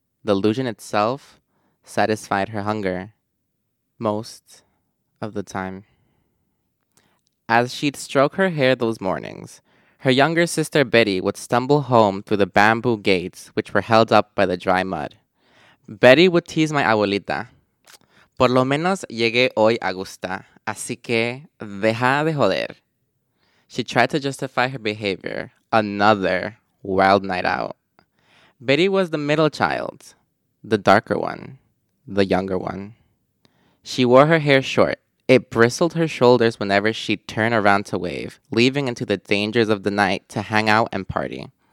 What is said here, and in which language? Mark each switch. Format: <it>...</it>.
<en>The illusion itself satisfied her hunger most of the time. As she'd stroke her hair those mornings, her younger sister Betty would stumble home through the bamboo gates which were held up by the dry mud. Betty would tease my abuelita.</en> <es>Por lo menos llegué hoy a gusta, así que deja de joder.</es> <en>She tried to justify her behavior. Another wild night out. Betty was the middle child, the darker one, the younger one. She wore her hair short. It bristled her shoulders whenever she'd turn around to wave, leaving into the dangers of the night to hang out and party.</en>